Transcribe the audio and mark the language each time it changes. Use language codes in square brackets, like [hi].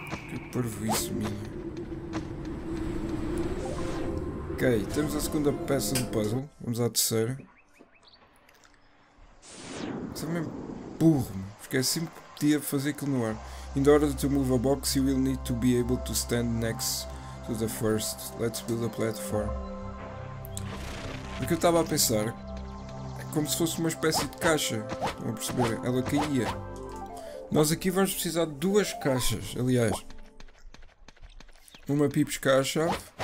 [pt] Que parvoíce minha. Ok, temos a segunda peça do puzzle. Vamos à terceira. Isso é mesmo burro. Esqueci-me que podia fazer aquilo no ar. [en] In order to move a box, you will need to be able to stand next to the first. Let's build a platform. [pt] O que eu estava a pensar é como se fosse uma espécie de caixa. Estão a perceber? Ela caía. Nós aqui vamos precisar de duas caixas, aliás. Uma pipiscar a chave.